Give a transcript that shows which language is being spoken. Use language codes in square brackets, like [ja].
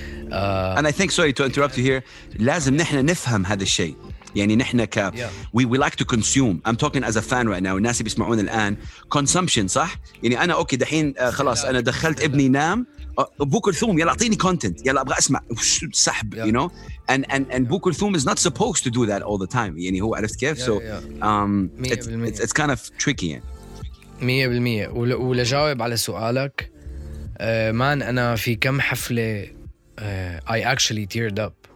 [en] And I think, sorry to interrupt you here, [ar] لازم نحن نفهم هذا الشيء. يعني نحن ك [en] we like to consume. I'm talking as a fan right now. [ar] الناس بيسمعون الآن consumption, صح؟ يعني أنا أوكي دحين خلاص أنا دخلت ابني نام, بوكل ثوم يلا أعطيني content, يلا أبغى أسمع سحب, yeah. [en] You know, and بوكل ثوم is not supposed to do that all the time. [ar] يعني هو عرفت كيف, yeah, so yeah. [en] It's kind of tricky. 100%. [ar] ولجاوب على سؤالك, مان, أنا في كم حفلة [en] I actually teared up.